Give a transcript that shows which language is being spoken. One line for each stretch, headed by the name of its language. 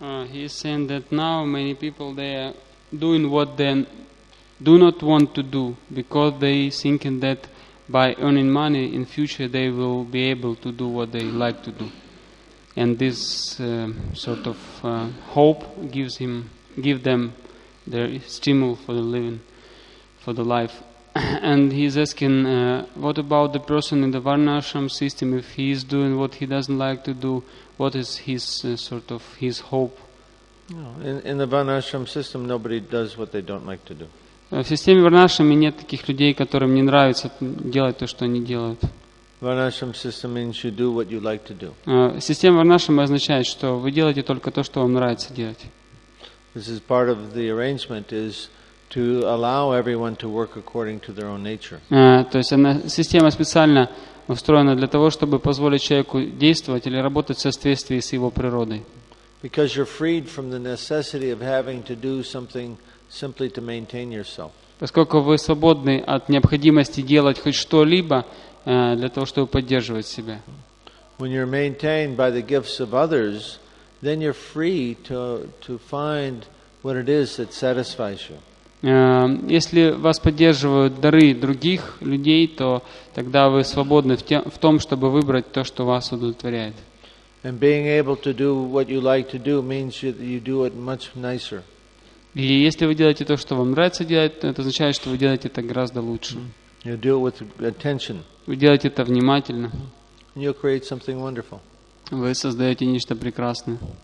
English: He is saying that now many people they are doing what they do not want to do because they thinking that by earning money in future they will be able to do what they like to do, and this sort of hope gives them their stimulus for the living, for the life. And he is asking, what about the person in the Varnashram system? If he is doing what he doesn't like to do, what is his sort of his hope? In the Varnashram system, nobody does what they don't like to do.
Russian: В системе Варнашрам нет таких людей, которым не нравится делать то, что они делают.
English: Varnashram system means you do what you like to do.
Russian: Система Варнашрама означает, что вы делаете только то, что вам нравится делать.
English: This is part of the arrangement is to allow everyone to work according to their own nature.
Russian: То есть она система специально устроена для того, чтобы позволить человеку действовать или работать в соответствии с его природой.
English: Because you're freed from the necessity of having to do something simply to maintain yourself.
Russian: Поскольку вы свободны от необходимости делать хоть что-либо для того, чтобы поддерживать себя.
English: When you're maintained by the gifts of others, then you're free to find what it is that satisfies you.
Russian: Если вас поддерживают дары других людей, то тогда вы свободны в том, чтобы выбрать то, что вас удовлетворяет.
English: And being able to do what you like to do means you do it much nicer.
Russian: И если вы делаете то, что вам нравится делать, это означает, что вы делаете это гораздо лучше.
English: You do it with attention.
Russian: Вы делаете это внимательно.
English: And you'll create something wonderful.
Russian: Вы создаете нечто прекрасное.